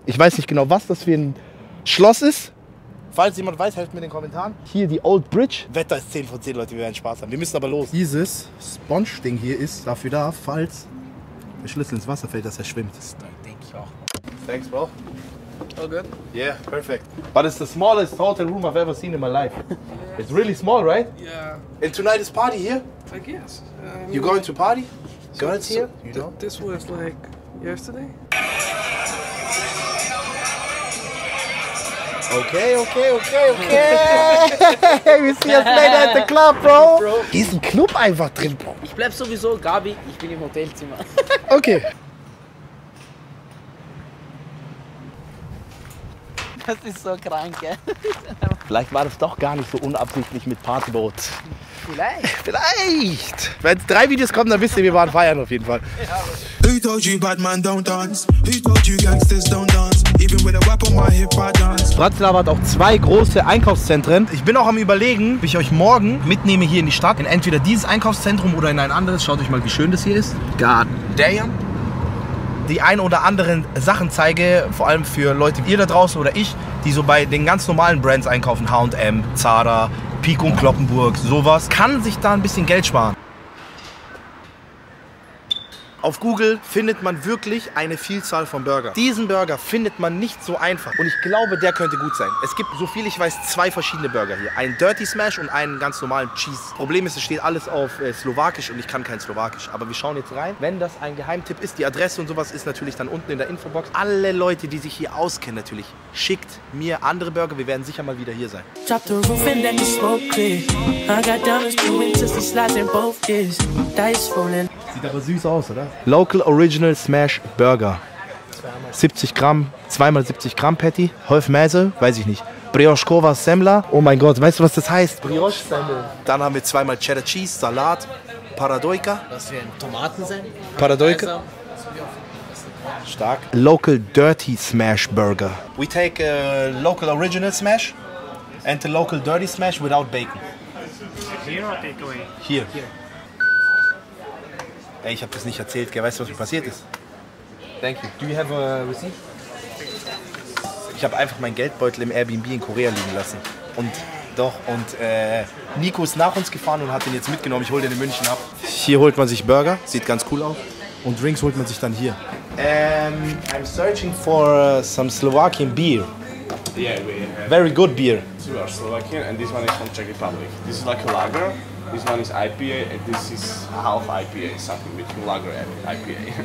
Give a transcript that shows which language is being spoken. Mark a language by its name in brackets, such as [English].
[German] Ich weiß nicht genau, was das für ein Schloss ist. Falls jemand weiß, helft mir in den Kommentaren. Hier die Old Bridge. Wetter ist 10 von 10, Leute. Wir werden Spaß haben. Wir müssen aber los. Dieses Sponge-Ding hier ist dafür da, falls der Schlüssel ins Wasser fällt, dass er schwimmt. Das denke ich auch. [English] Thanks, Bro. All good? Yeah, perfect. But it's the smallest hotel room I've ever seen in my life. Yes. It's really small, right? Yeah. And tonight is party here? I guess. You're going to party? So, girls here? You know? This was like yesterday. Okay. We see us later at the club, bro. [German] Hier ist ein Club einfach drin, bro. Ich bleib sowieso, Gabi, ich bin im Hotelzimmer. Okay. Das ist so krank, gell? Vielleicht war das doch gar nicht so unabsichtlich mit Partyboat. Vielleicht. Wenn es 3 Videos kommen, dann wisst ihr, wir waren feiern auf jeden Fall. [English] Who told you bad man don't dance? Who told you gangsters don't dance? Even with a weapon my hip I dance. [German] Bratislava hat auch 2 große Einkaufszentren. Ich bin auch am überlegen, ob ich euch morgen mitnehme hier in die Stadt. In entweder dieses Einkaufszentrum oder in ein anderes. Schaut euch mal, wie schön das hier ist. [English] God damn. [German] Die ein oder anderen Sachen zeige, vor allem für Leute wie ihr da draußen oder ich, die so bei den ganz normalen Brands einkaufen, H&M, Zara, Pico und Kloppenburg, sowas, kann sich da ein bisschen Geld sparen. Auf Google findet man wirklich eine Vielzahl von Burger. Diesen Burger findet man nicht so einfach. Und ich glaube, der könnte gut sein. Es gibt, so viel ich weiß, zwei verschiedene Burger hier. Einen Dirty Smash und einen ganz normalen Cheese. Problem ist, es steht alles auf Slowakisch und ich kann kein Slowakisch. Aber wir schauen jetzt rein. Wenn das ein Geheimtipp ist, die Adresse und sowas ist natürlich dann unten in der Infobox. Alle Leute, die sich hier auskennen natürlich, schickt mir andere Burger. Wir werden sicher mal wieder hier sein. [English] Drop the roof and let the smoke clear. I got diamonds 2 inches of slice in both ears. Dice rolling. [German] Sieht aber süß aus, oder? Local Original Smash Burger. 70 Gramm, 2x70 Gramm Patty. Half Mäse, weiß ich nicht. Brioche-Kova Semla. Oh mein Gott, weißt du, was das heißt? Brioche-Semla. Dann haben wir 2x Cheddar Cheese, Salat, Paradoika. Das wären Tomaten sein. Paradoika. Stark. Local Dirty Smash Burger. [English] We take a local original smash and the local dirty smash without bacon. Here or take away? Here. [German] Ey, ich hab das nicht erzählt, gell? Weißt du, was mir passiert ist? [English] Thank you. Do you have a receipt? [German] Ich hab einfach meinen Geldbeutel im Airbnb in Korea liegen lassen. Und doch, und Nico ist nach uns gefahren und hat den jetzt mitgenommen. Ich hol den in München ab. Hier holt man sich Burger, sieht ganz cool aus. Und Drinks holt man sich dann hier. [English] I'm searching for some Slovakian beer. Yeah, we have very good beer. Two are Slovakian and this one is from Czech Republic. This is like a lager. This one is IPA and this is half IPA, something between lager and IPA.